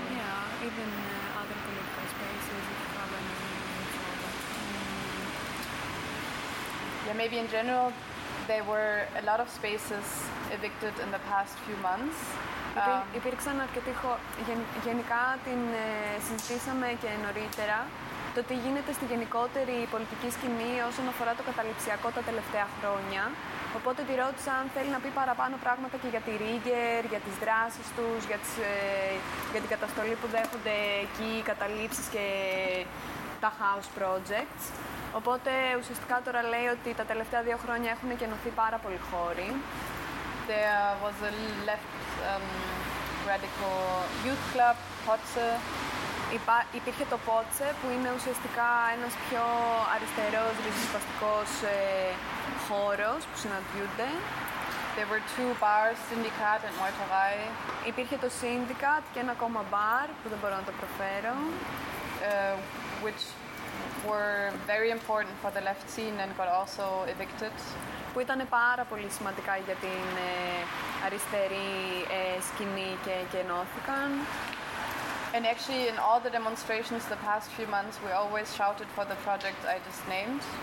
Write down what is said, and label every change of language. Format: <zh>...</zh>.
<en>Yeah, even other political spaces, if you have any information. Yeah, maybe in general, there were a lot of spaces evicted in the past few months.</en> <el>Υπήρξαν αρκετοί χώροι. Γενικά την συζητήσαμε και νωρίτερα. Το τι γίνεται στη γενικότερη πολιτική σκηνή όσον αφορά το καταληψιακό τα τελευταία χρόνια. Οπότε τη ρώτησα αν θέλει να πει παραπάνω πράγματα και για τη Ρίγκερ, για τις δράσεις τους, για την καταστολή που δέχονται εκεί οι καταλήψεις και τα house projects. Οπότε ουσιαστικά τώρα λέει ότι τα τελευταία δύο χρόνια έχουν εκενωθεί πάρα πολλοί χώροι.</el> <en>There was a left radical youth club, Potse.</en> <el>Υπήρχε το Potse, που είναι ουσιαστικά ένας πιο αριστερός, ριζοσπαστικός χώρος που συναντιούνται.</el> <en>There were two bars, Syndicat and Moitavai.</en> <el>Υπήρχε το Syndicat και ένα ακόμα bar που δεν μπορώ να το προφέρω.</el> <en>Which were very important for the left scene and got also evicted.</en> <el>Που ήταν πάρα πολύ σημαντικά για την αριστερή σκηνή και εκενώθηκαν.</el> <en>And actually in all the demonstrations the past few months we always shouted for the project I just named.</en>